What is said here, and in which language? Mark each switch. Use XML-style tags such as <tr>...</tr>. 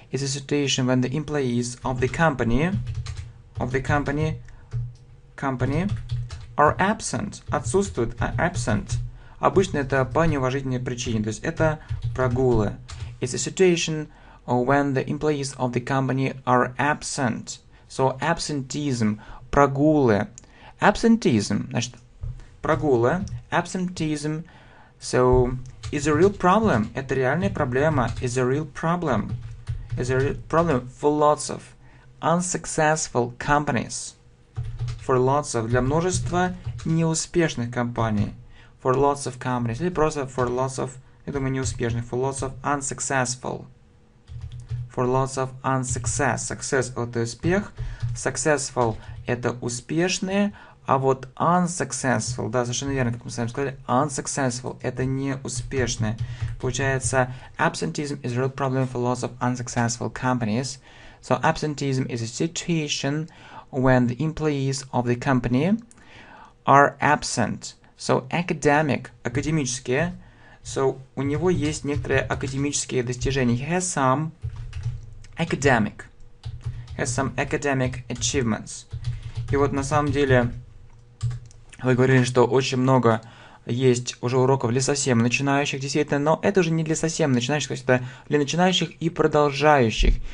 <en>It's a situation when the employees of the company company are absent.</en> <ru>Отсутствуют,</ru> <en>are absent.</en> <ru>Обычно это по неуважительной причине, то есть это прогулы.</ru> <en>It's a situation when the employees of the company are absent. So absenteeism,</en> <ru>прогулы.</ru> <en>Absenteeism,</en> <ru>значит, прогулы,</ru> <en>absenteeism. So, is a real problem,</en> <ru>это реальная проблема,</ru> <en>is a real problem. Is a real problem for lots of unsuccessful companies. For lots of,</en> <ru>для множества неуспешных компаний.</ru> <en>For lots of companies,</en> <ru>или просто</ru> <en>for lots of,</en> <ru>я думаю, неуспешных,</ru> <en>for lots of unsuccessful. For lots of unsuccess. Success –</en> <ru>это успех.</ru> <en>Successful –</en> <ru>это успешные. А вот unsuccessful, да, совершенно верно, как мы с вами сказали, unsuccessful – это неуспешные. Получается,</ru> <en>absenteeism is a real problem for lots of unsuccessful companies. So, absenteeism is a situation when the employees of the company are absent. So, academic –</en> <ru>академические. So, у него есть некоторые академические достижения.</ru> <en>He has some academic. Has some academic achievements.</en> <ru>И вот на самом деле, вы говорили, что очень много есть уже уроков для совсем начинающих, действительно, но это уже не для совсем начинающих, то есть это для начинающих и продолжающих.</ru>